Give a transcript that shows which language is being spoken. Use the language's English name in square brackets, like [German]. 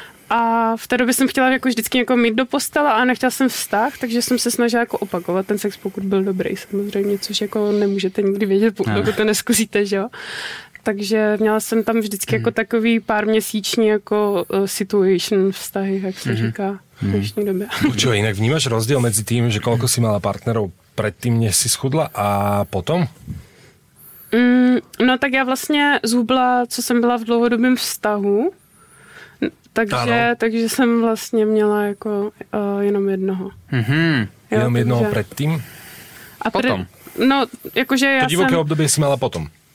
[Czech] A v té době jsem chtěla jako vždycky jako mít do postela, a nechtěla jsem vztah, takže jsem se snažila jako opakovat ten sex, pokud byl dobrý, samozřejmě, což jako nemůžete nikdy vědět, pokud to neskusíte, že jo. Takže měla jsem tam vždycky jako takový pár měsíční jako situation vztahy, jak se říká. [Slovak] Čo, inak vnímaš rozdiel medzi tým, že koľko si mala partnerov predtým, než si schudla, a potom? [Czech] No tak já vlastně zhubla, co jsem byla v dlouhodobém vztahu, takže jsem vlastně měla jako jenom jednoho. Mm-hmm. Jo, jenom jednoho předtím? A potom? No, jakože já jsem... To divoké období jsi měla potom?